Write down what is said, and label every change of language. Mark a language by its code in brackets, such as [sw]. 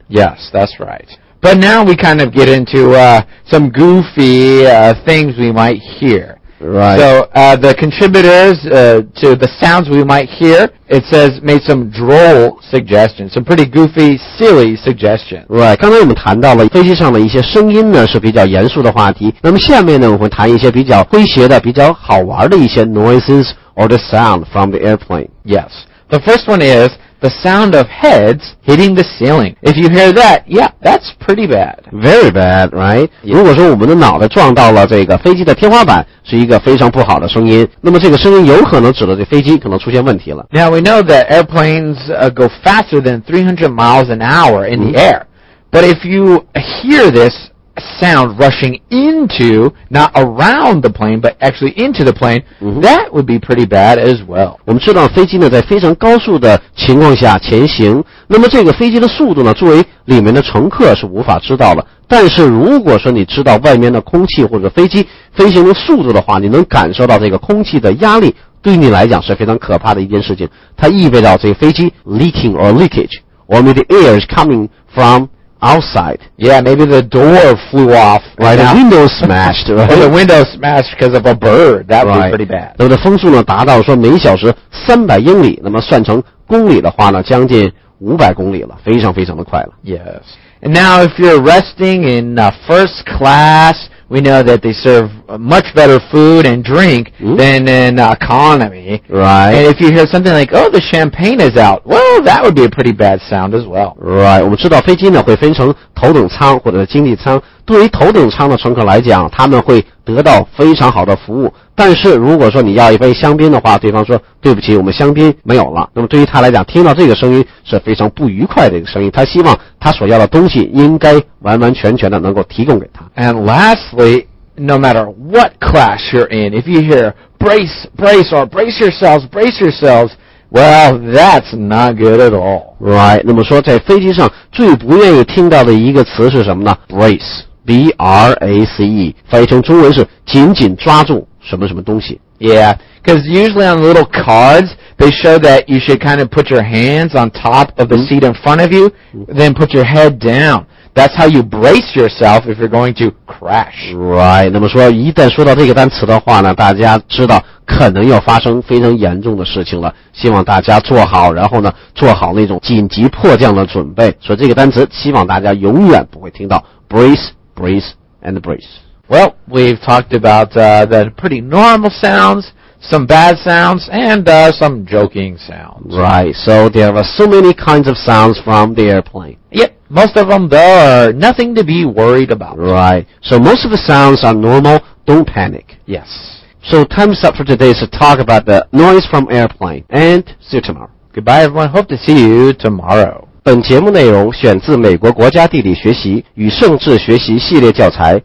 [en] Yes, that's right. But now we kind of get into some goofy things we might hear. Right. So the contributors to the sounds we might hear, it says made some droll suggestions, some pretty goofy, silly suggestions. Right. [zh] 刚才我们谈到了飞机上的一些声音呢是比较严肃的话题。那么下面呢我们谈一些比较诙谐的、比较好玩的一些 [en] noises or the sound from the airplane. Yes. The first one is the sound of heads hitting the ceiling. If you hear that, yeah, that's pretty bad. Very bad, right? [zh] Yeah. 如果说我们的脑袋撞到了这个飞机的天花板，是一个非常不好的声音。那么这个声音有可能指的这飞机可能出现问题了。 [en] Now we know that airplanes go faster than 300 miles an hour in the air. But if you hear this sound rushing into, not around the plane, but actually into the plane, that would be pretty bad as well. [zh] 我们知道飞机呢在非常高速的情况下前行，那么这个飞机的速度呢作为里面的乘客是无法知道的，但是如果说你知道外面的空气或者飞机飞行的速度的话，你能感受到这个空气的压力，对你来讲是非常可怕的一件事情，它意味着这个飞机 [en] leaking or leakage, or maybe the air is coming fromOutside. Yeah, maybe the door flew off. Right, the window smashed. Right? Or the window smashed because of a bird. That would be pretty bad. [zh] 那么的风速呢达到说每小时300英里，那么算成公里的话呢将近500公里了，非常非常的快了。 [en] Yes. And now if you're resting in first class, we know that they serve much better food and drink than in economy. Right. And if you hear something like, oh, the champagne is out, well, that would be a pretty bad sound as well. [zh] Right. 我们知道飞机呢会分成头等舱或者经济舱。对于头等舱的乘客来讲，他们会得到非常好的服务。但是如果说你要一杯香槟的话，对方说对不起，我们香槟没有了。那么对于他来讲，听到这个声音是非常不愉快的一个声音。他希望他所要的东西应该完完全全的能够提供给他。 [en] And lastly, no matter what class you're in, if you hear brace, brace, or brace yourselves, brace yourselves,Well, that's not good at all. Right. [zh] 那么说在飞机上最不愿意听到的一个词是什么呢 ?Brace. [en] B-R-A-C-E. [zh] 翻译成中文是紧紧抓住什么什么东西。 [en] Yeah. Because usually on little cards, they show that you should kind of put your hands on top of the seat in front of you, then put your head down. That's how you brace yourself if you're going to crash. Right. [zh] 那么说一旦说到这个单词的话呢大家知道可能要发生非常严重的事情了，希望大家做好，然后呢做好那种紧急迫降的准备。所以这个单词希望大家永远不会听到 [en] brace, brace, and brace. Well, we've talked about the pretty normal sounds, some bad sounds, and some joking sounds. Right, so there are so many kinds of sounds from the airplane. Yep, most of them there are nothing to be worried about. Right, so most of the sounds are normal, don't panic. Yes. So time's up for today, so talk about the noise from airplane. And see you tomorrow. Goodbye, everyone. Hope to see you tomorrow. [zh] 本节目内容选自美国国家地理学习与政治学习系列教材。